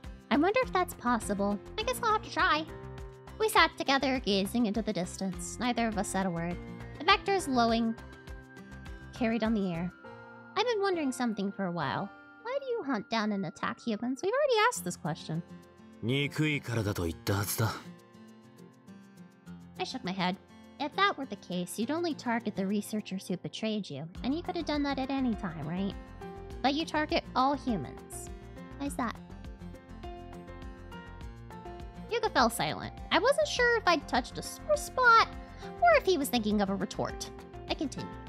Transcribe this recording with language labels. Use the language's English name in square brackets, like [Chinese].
[English] I wonder if that's possible. I guess I'll have to try. We sat together, gazing into the distance. Neither of us said a word. The vectors lowing carried on the air. I've been wondering something for a while. Why do you hunt down and attack humans? We've already asked this question. [Japanese] 憎いからだと言ったはずだ。 [English] I shook my head. If that were the case, you'd only target the researchers who betrayed you, and you could have done that at any time, right? But you target all humans. Why's that? Hyuga fell silent. I wasn't sure if I'd touched a sore spot, or if he was thinking of a retort. I continued.